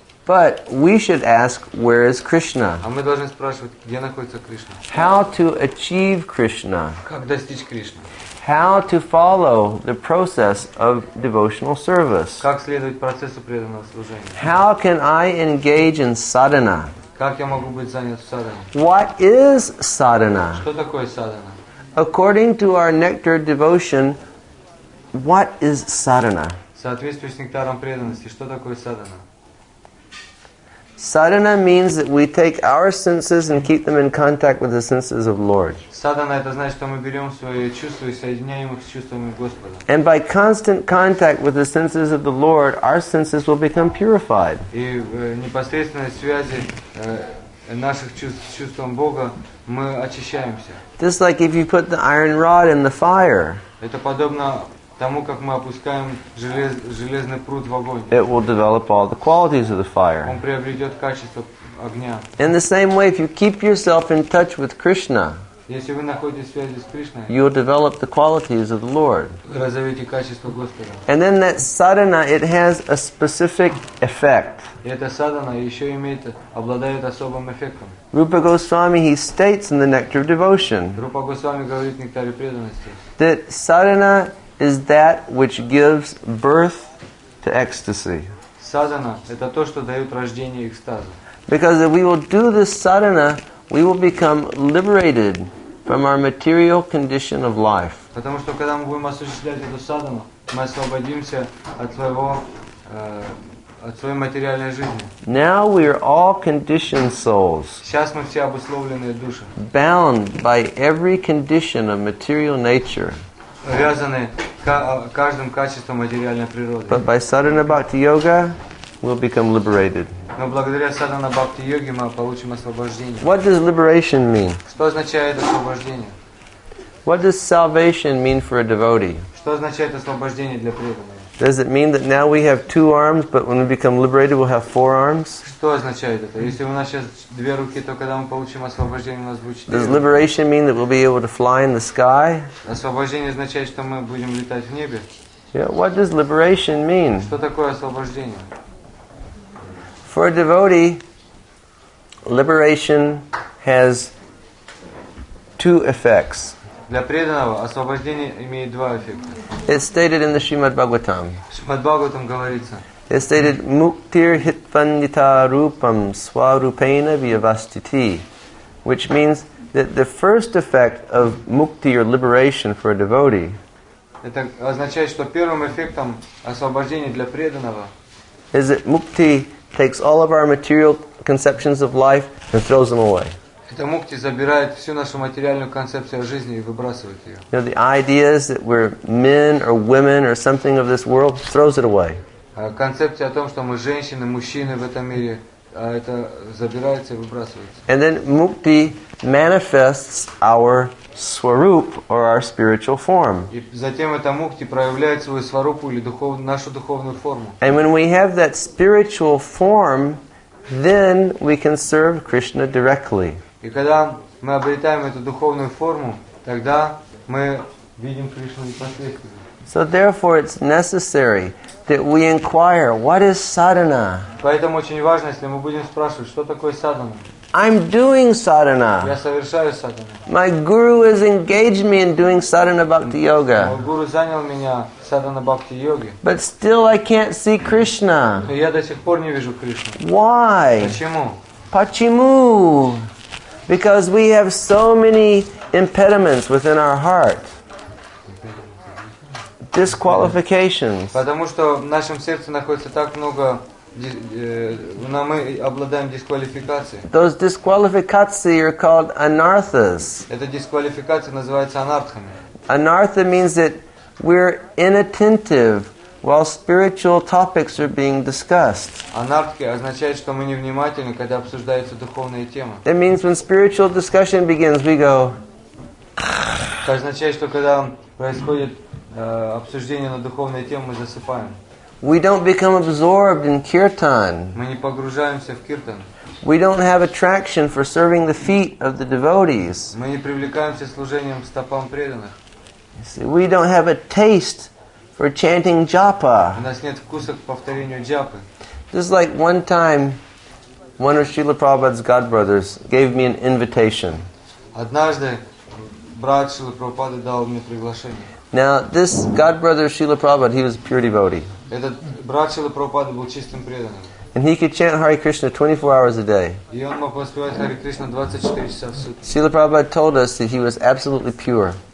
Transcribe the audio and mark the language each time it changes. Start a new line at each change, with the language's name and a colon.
English: But we should ask, where is Krishna?
Russian: А мы должны спрашивать, где находится Кришна?
English: How to achieve Krishna?
Russian: Как достичь Кришны?
English: How to follow the process of devotional service?
Russian: Как следовать процессу преданного служения?
English: How can I engage in sadhana?
Russian: Как я могу быть занят в садхане?
English: What is sadhana?
Russian: Что такое sadhana?
English: According to our nectar devotion, what is sadhana?
Russian: Соответствуя с нектаром преданности, что такое sadhana?
English: Sadhana means that we take our senses and keep them in contact with the senses of Lord.
Russian: Sadhana — это значит, что мы берем свои чувства и соединяем их с чувствами Господа.
English: And by constant contact with the senses of the Lord, our senses will become purified.
Russian: И в непосредственной связи наших чувств с чувством Бога мы очищаемся.
English: Just like if you put the iron rod in the fire.
Russian: Это подобно тому, как мы опускаем железный прут в огонь.
English: It will develop all the qualities of the fire.
Russian: Он приобретет качество огня.
English: In the same way, if you keep yourself in touch with Krishna,
Russian: если вы находитесь в связи с Кришной,
English: you will develop the qualities of the Lord.
Russian: Вы развеете качество Господа.
English: And then that sadhana, it has a specific effect.
Russian: И эта sadhana еще имеет, обладает особым эффектом.
English: Rupa Goswami, he states in the Nectar of Devotion,
Russian: Rupa Goswami говорит в Нектаре преданности,
English: that sadhana is that which gives birth to ecstasy.
Russian: садхана – это то, что дает рождение экстаза.
English: Because if we will do this sadhana, we will become liberated from our material condition of life.
Russian: Потому что когда мы будем осуществлять эту садхану, мы освободимся от своего от своей материальной жизни.
English: Now we are all conditioned souls.
Russian: Сейчас мы все обусловленные души.
English: Bound by every condition of material nature.
Russian: Связаны каждым качеством материальной природы.
English: But by sadhana bhakti yoga, we'll become liberated.
Russian: Но благодаря садхана бхакти йоге мы получим освобождение.
English: What does liberation mean?
Russian: Что означает освобождение?
English: What does salvation mean for a devotee?
Russian: Что означает освобождение для преданного?
English: Does it mean that now we have two arms, but when we become liberated, we'll have four arms?
Russian: Что означает это? Если у нас сейчас две руки, то когда мы получим освобождение, у нас будет четыре.
English: Does liberation mean that we'll be able to fly in the sky?
Russian: Освобождение означает, что мы будем летать в небе.
English: Yeah. What does liberation mean?
Russian: Что такое освобождение?
English: For a devotee, liberation has two effects.
Russian: Для преданного освобождение имеет два эффекта.
English: It's stated in the Shrimad Bhagavatam.
Russian: Shrimad Bhagavatam говорится.
English: It's stated
Sanskrit: muktir hitvanita rupam swarupena vyavastiti,
English: which means that the first effect of mukti or liberation for a devotee.
Russian: Это означает, что первым эффектом освобождения для преданного.
English: Is that mukti takes all of our material conceptions of life and throws them away.
Russian: Это мукти забирает всю нашу материальную концепцию жизни и выбрасывает ее.
English: You know, the ideas that we're men or women or something of this world throws it away.
Russian: Концепция о том, что мы женщины, мужчины в этом мире, это забирается и выбрасывается.
English: And then mukti manifests our swarup or our spiritual form.
Russian: И затем эта мукти проявляет свою сварупу или нашу духовную форму.
English: And when we have that spiritual form, then we can serve Krishna directly.
Russian: И когда мы обретаем эту духовную форму, тогда мы видим Кришну непосредственно.
English: So therefore it's necessary that we inquire, what is sadhana?
Russian: Поэтому очень важно, если мы будем спрашивать, что такое sadhana?
English: I'm doing sadhana.
Russian: Я совершаю sadhana.
English: My guru has engaged me in doing sadhana bhakti yoga.
Russian: Мой гуру занял меня sadhana bhakti yoga.
English: But still I can't see Krishna.
Russian: Но я до сих пор не вижу Кришну.
English: Why?
Russian: Почему? Почему?
English: Because we have so many impediments within our heart. Disqualifications.
Russian: Потому что в нашем сердце находится так много, но мы обладаем дисквалификацией.
English: Those disqualifications are called anarthas.
Russian: Эта дисквалификация называется анартхами.
English: Anartha means that we're inattentive while spiritual topics are being discussed.
Russian: Анартхи означает, что мы невнимательны, когда обсуждаются духовные темы.
English: It means when spiritual discussion begins, we go.
Russian: Это означает, что когда происходит обсуждение на духовные темы, мы засыпаем.
English: We don't become absorbed in kirtan.
Russian: Мы не погружаемся в киртан.
English: We don't have attraction for serving the feet of the devotees.
Russian: Мы не привлекаемся служением стопам преданных.
English: See, we don't have a taste for chanting japa.
Russian: У нас нет вкуса к повторению джапы.
English: This is like one time, one of Srila Prabhupada's godbrothers gave me an invitation.
Russian: Однажды брат Шрилы Прабхупады дал мне приглашение.
English: Now this godbrother Srila Prabhupada, he was a pure devotee.
Russian: Этот брат Шрилы Прабхупады был чистым преданным.
English: And he could chant Hare Krishna 24 hours a day.
Russian: И он мог воспевать Hare Krishna 24 часа в сутки.
English: Srila Prabhupada told us that he was absolutely pure.